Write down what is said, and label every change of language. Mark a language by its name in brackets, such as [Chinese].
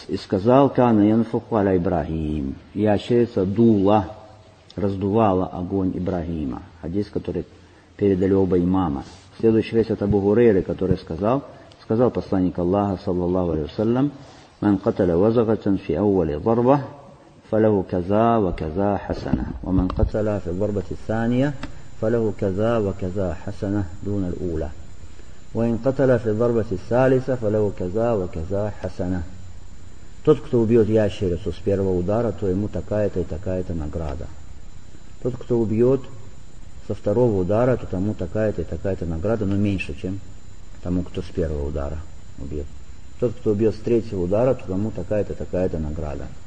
[Russian] И сказал: [Arabic] «Кана янфуху аля Ибрахим». [Russian] Ящерица дула, раздувала огонь Ибрагима. Хадис, который передали оба имама. Следующий хадис от Абу Хурейры, который сказал посланник Аллаха, саллаллаху алейхи ва саллям: [Arabic] «Ман каталя вазагатан фи аввали дарба, فله كذا وكذا حسنة، ومن قتل في الضربة الثانية فله كذا وكذا حسنة دون الأولى، وإن قتل في الضربة الثالثة فله كذا وكذا حسنة. [Russian] Тот, кто убьет ящерицу с первого удара, то ему такая-то и такая-то награда. Тот, кто убьет со второго удара, то тому такая-то и такая-то награда, но меньше, чем тому, кто с первого удара убьет. Тот, кто убьет с третьего удара, то тому такая-то и такая-то награда.